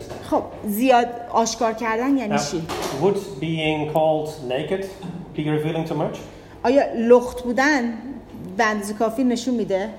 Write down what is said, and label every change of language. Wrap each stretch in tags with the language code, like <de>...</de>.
<fa>خب زیاد آشکار کردن یعنی چی؟</fa> <en>Would being called naked be revealing too much?</en> <fa>آیا لخت بودن بندز کافی نشون میده؟</fa>